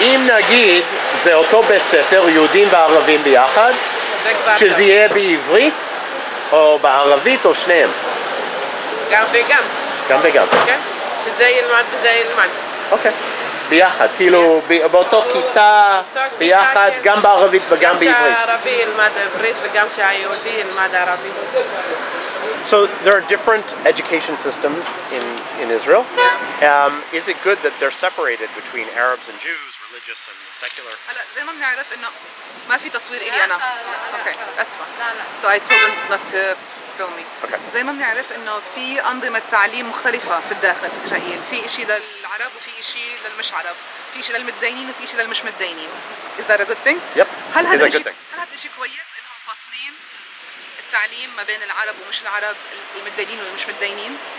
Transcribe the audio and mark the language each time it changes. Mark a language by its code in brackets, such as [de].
[he] אם נגיד זה אותו בית ספר, יהודים וערבים ביחד, שזה יהיה בעברית או בערבית או שניהם? גם וגם. גם וגם. כן, שזה ילמד וזה ילמד. אוקיי. ביחד, כאילו באותו כיתה, ביחד, גם בערבית וגם בעברית. גם שהערבי ילמד עברית וגם שהיהודי ילמד ערבית. [en] So there are different education systems in Israel. Is it good that they're separated between Arabs and Jews, religious and secular? [ar] هلا زي ما بنعرف انه ما في تصوير الي انا. اوكي اسمع. [en] So I told them not to film me. Okay. [ar] زي ما بنعرف انه في انظمة تعليم مختلفة في الداخل في اسرائيل، في شيء للعرب وفي شيء للمش عرب، في شيء للمتدينين وفي شيء للمش متدينين. [en] Is that a good thing? Yep. [ar] هل هذا شيء كويس انهم فاصلين التعليم ما بين العرب ومش العرب، المتدينين والمش متدينين؟